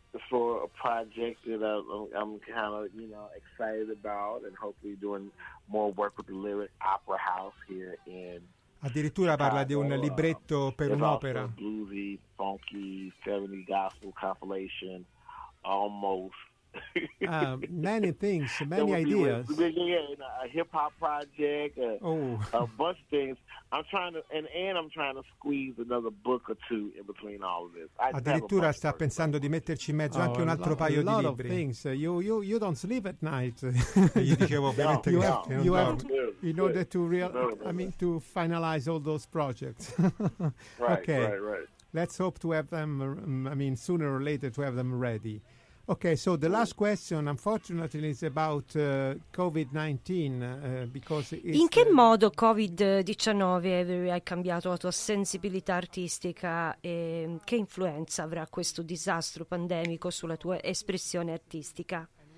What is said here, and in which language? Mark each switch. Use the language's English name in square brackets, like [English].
[English] For a project that I'm kind of, you know, excited about, and hopefully doing more work with the Lyric Opera House here in. [Italian] Addirittura parla di un libretto per un'opera. [English] Bluesy, funky, 70 gospel compilation, almost. Many things, many ideas. A hip hop project, a bunch of things. I'm trying to squeeze another book or two in between all of this. [Italian] Addirittura sta pensando di metterci in mezzo anche un altro paio di libri. [English] Things. You don't sleep at night. [Italian] Io dicevo veramente no. [English] You have in order to to finalize all those projects. Right, okay. Right. Let's hope to have them. Sooner or later to have them ready. Okay, so the last question, unfortunately, is about COVID-19. Because it's, [Italian] in che modo COVID-19 ha cambiato la tua sensibilità artistica e che influenza avrà questo disastro pandemico sulla tua espressione artistica?